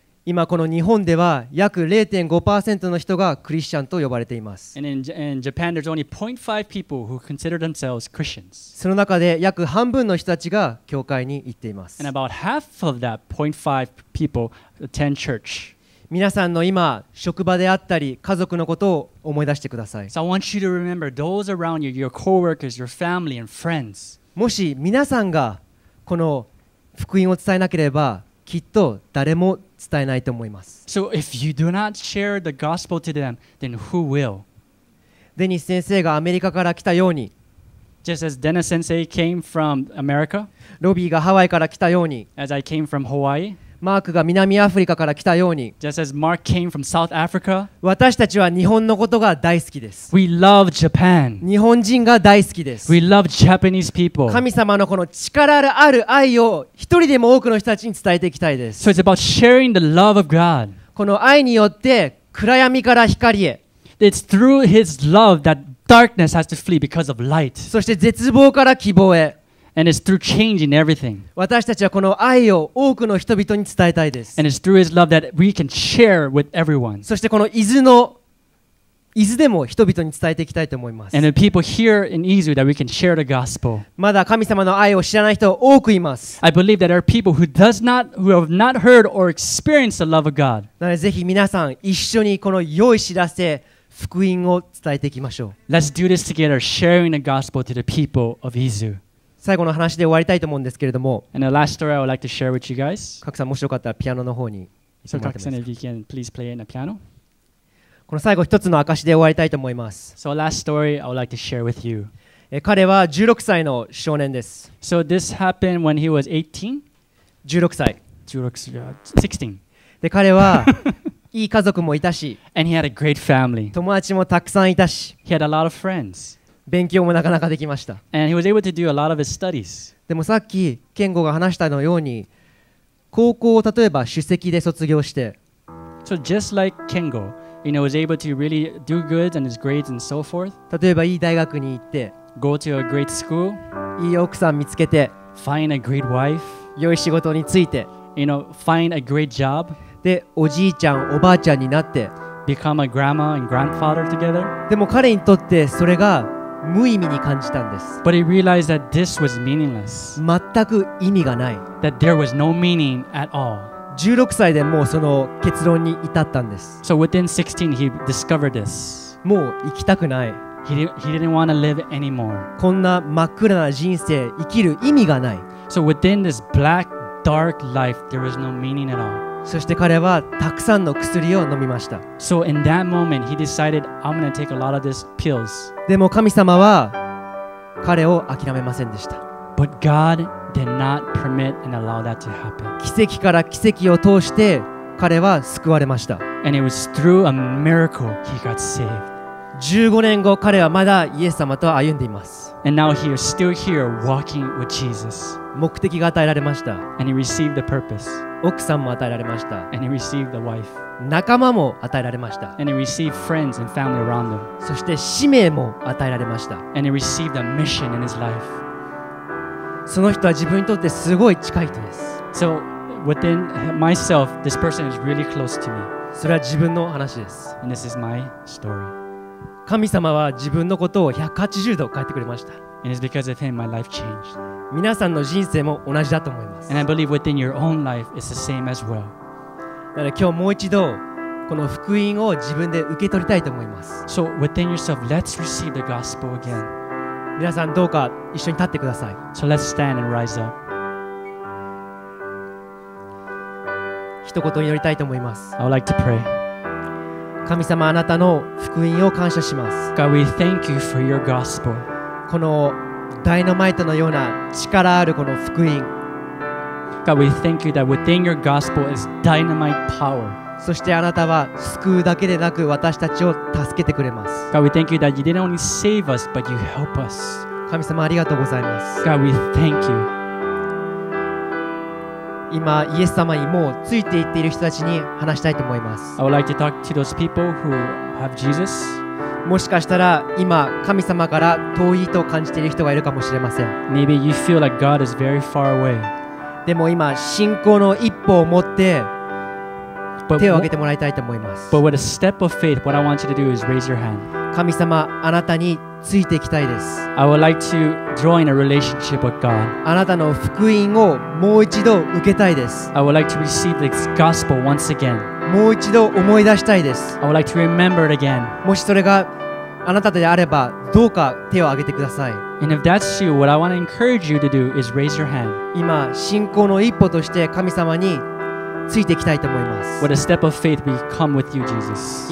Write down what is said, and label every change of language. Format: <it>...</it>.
<ja>今この日本では約 0.5% の人がクリスチャンと呼ばれています。</ja> <en>And in Japan, there's only 0.5 people who consider themselves Christians.</en> <ja>その中で約半分の人たちが教会に行っています。</ja> <en>And about half of that 0.5 people attend church.</en> <ja>皆さんの今職場であったり家族のことを思い出してください。</ja> <en>So I want you to remember those around you, your coworkers, your family and friends.</en> <ja>もし皆さんがこの福音を伝えなければ、きっと誰も伝えないと思います。</ja> <en>So if you do not share the gospel to them, then who will?</en> <ja>デニス先生がアメリカから来たように、</ja> <en>Just as Dennis Sensei came from America,</en> <ja>ロビーがハワイから来たように、</ja> <en>As I came from Hawaii.</en> <ja>マークが南アフリカから来たように</ja> <en>Just as Mark came from South Africa,</en> <ja>私たちは日本のことが大好きです。</ja> <en>We love Japan.</en> <ja>日本人が大好きです。</ja> <en>We love Japanese people.</en> <ja>神様のこの力ある愛を一人でも多くの人たちに伝えていきたいです。</ja> <en>So it's about sharing the love of God.</en> <ja>この愛によって暗闇から光へ。</ja> <en>It's through His love that darkness has to flee because of light.</en> <ja>そして絶望から希望へ。</ja> <en>And it's through changing everything.</en> <ja>私たちはこの愛を多くの人々に伝えたいです。</ja> <en>And it's through His love that we can share with everyone.</en> <ja>そしてこの伊豆の伊豆でも人々に伝えていきたいと思います。</ja> <en>And the people here in Izu that we can share the gospel.</en> <ja>まだ神様の愛を知らない人多くいます。</ja> <en>I believe that there are people who does not, who have not heard or experienced the love of God.</en> <ja>なのでぜひ皆さん一緒にこの良い知らせ福音を伝えていきましょう。</ja> <en>Let's do this together, sharing the gospel to the people of Izu.</en> <ja>最後の話で終わりたいと思うんですけれども。</ja> <en>And the last story I would like to share with you guys.</en> <ja>賀来さんもしよかったらピアノの方に。</ja> <en>So 賀来さん、if you can please play in the piano.</en> <ja>この最後一つの証で終わりたいと思います。</ja> <en>So last story I would like to share with you.</en> <ja>彼は16歳の少年です。</ja> <en>So this happened when he was 18?</en> <ja>16歳。</ja> <en>16.</en> <ja>で彼はいい家族もいたし。</ja> <en>And he had a great family.</en> <ja>友達もたくさんいたし。</ja> <en>He had a lot of friends.</en> <ja>勉強もなかなかできました。</ja> <en>And he was able to do a lot of his studies.</en> <ja>でもさっき健吾が話したのように、高校を例えば首席で卒業して。</ja> <en>So just like Kengo. You know, was able to really do good and his grades and so forth.</en> <ja>例えばいい大学に行って</ja> <en>go to a great school.</en> <ja>いい奥さん見つけて</ja> <en>find a great wife.</en> <ja>良い仕事について</ja> <en>you know, find a great job.</en> <ja>で、おじいちゃん、おばあちゃんになって</ja> <en>become a grandma and grandfather together.</en> <ja>でも彼にとってそれが無意味に感じたんです。</ja> <en>But he realized that this was meaningless.</en> <ja>全く意味がない。</ja> <en>That there was no meaning at all.</en> <ja>16歳でもうその結論に至ったんです。</ja> <en>So within 16 he discovered this.</en> <ja>もう生きたくない。</ja> <en>He didn't want to live anymore.</en> <ja>こんな真っ暗な人生生きる意味がない。</ja> <en>So within this black dark life there was no meaning at all.</en> <ja>そして彼はたくさんの薬を飲みました。</ja> <en>So in that moment he decided I'm gonna take a lot of these pills.</en> <ja>でも神様は彼を諦めませんでした。</ja> <en>But GodDid not permit and allow that to happen.</en> <ja>奇跡から奇跡を通して彼は救われました。</ja> <en>And it was through a miracle he got saved.</en> <ja>15年後彼はまだイエス様と歩んでいます。</ja> <en>And now he is still here walking with Jesus.</en> <ja>目的が与えられました。</ja> <en>And he received the purpose.</en> <ja>奥さんも与えられました。</ja> <en>And he received the wife.</en> <ja>仲間も与えられました。</ja> <en>And he received friends and family around him.</en> <ja>そして使命も与えられました。</ja> <en>And he received a mission in his life.</en> <ja>その人は自分にとってすごい近い人です。</ja> <en>So within myself, this person is really close to me.</en> <ja>それは自分の話です。</ja> <en>And this is my story.</en> <ja>神様は自分のことを180度変えてくれました。</ja> <en>And it's because of him my life changed.</en> <ja>皆さんの人生も同じだと思います。</ja> <en>And I believe within your own life it's the same as well.</en> <ja>だから今日もう一度この福音を自分で受け取りたいと思います。</ja> <en>So within yourself, let's receive the gospel again.</en> <ja>皆さんどうか一緒に立ってください。</ja> <en>So let's stand and rise up.</en> <ja>一言祈りたいと思います。</ja> <en>I would like to pray.</en> <ja>神様あなたの福音を感謝します。</ja> <en>God, we thank you for your gospel.</en> <ja>このダイナマイトのような力あるこの福音。</ja> <en>God, we thank you that within your gospel is dynamite power.</en> <ja>そしてあなたは救うだけでなく私たちを助けてくれます。</ja> <en>God, we thank you that you didn't only save us, but you help us.</en> <ja>神様ありがとうございます。</ja> <en>God, we thank you.</en> <ja>今、イエス様にもうついていっている人たちに話したいと思います。</ja> <en>I would like to talk to those people who have Jesus.</en> <ja>もしかしたら今、神様から遠いと感じている人がいるかもしれません。</ja> <en>Maybe you feel like God is very far away.</en> <ja>でも今、信仰の一歩を持って手を挙げてもらいたいと思います。</ja> <en>But with a step of faith, what I want you to do is raise your hand.</en> <ja>神様、あなたについていきたいです。</ja> <en>I would like to join a relationship with God.</en> <ja>あなたの福音をもう一度受けたいです。</ja> <en>I would like to receive this gospel once again.</en> <ja>もう一度思い出したいです。</ja> <en>I would like to remember it again.</en> <ja>もしそれがあなたであれば、どうか手を挙げてください。</ja> <en>And if that's you, what I want to encourage you to do is raise your hand.</en> <ja>今、信仰の一歩として神様についていきたいと思います。</ja> <en>With a step of faith, we come with you, Jesus.</en>